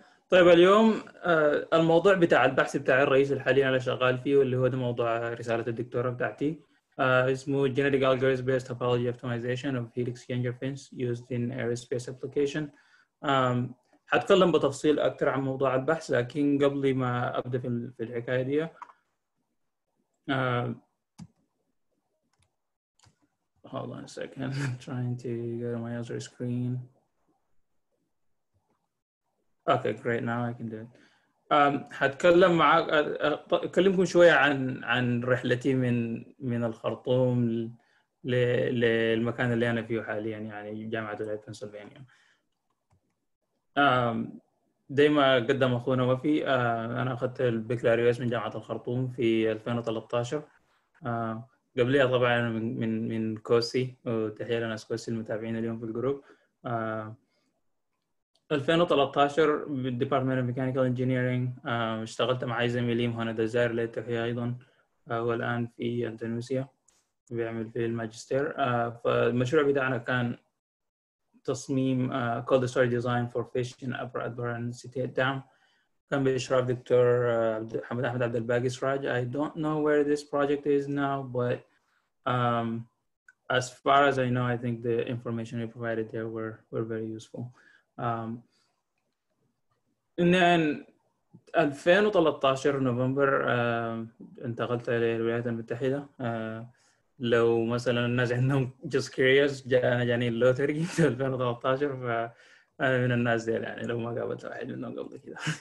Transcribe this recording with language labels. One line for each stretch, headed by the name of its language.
Arabic: طيب اليوم الموضوع بتاع البحث بتاع الرئيس الحالي انا شغال فيه، واللي هو ده موضوع رساله الدكتوراه بتاعتي، اسمه
English: Genetic Algorithms Based Topology Optimization of Helix Changer Fins Used in Aerospace Application.
Arabic: هتكلم بتفصيل اكثر عن موضوع البحث، لكن قبل ما ابدا في الحكايه دي
English: hold on a second. I'm trying to go to my other screen. Okay, great. Now I can do it.
Arabic: هتكلم معاك أكلمكم شوية عن رحلتي من الخرطوم للمكان اللي أنا فيه حاليا، يعني جامعة ولاية بنسلفانيا. دايما قدم أخونا وفي أنا أخذت البكالوريوس من جامعة الخرطوم في 2013. قبلها طبعا من كوسي، وتحية لناس كوسي المتابعين اليوم في الجروب. 2013 بالديبارتمنت ميكانيكال انجينيرينج، اشتغلت مع زميلي مهند الزاير اللي تحية ايضا، هو الان في اندونيسيا بيعمل في الماجستير. فالمشروع بتاعنا كان تصميم
English: cold store design for fish in upper Atbara and Setit dam,
Arabic: كان بإشراف دكتور محمد أحمد عبد الباقي سراج.
English: I don't know where this project is now, but as far as I know, I think the information we provided there were very useful. And then
Arabic: 2013 نوفمبر انتقلت إلى الولايات المتحدة. لو مثلا الناس عندهم
English: just curious،
Arabic: جاني اللوتري 2013، فأنا من الناس دي يعني، لو ما قابلت واحد منهم قبل كده.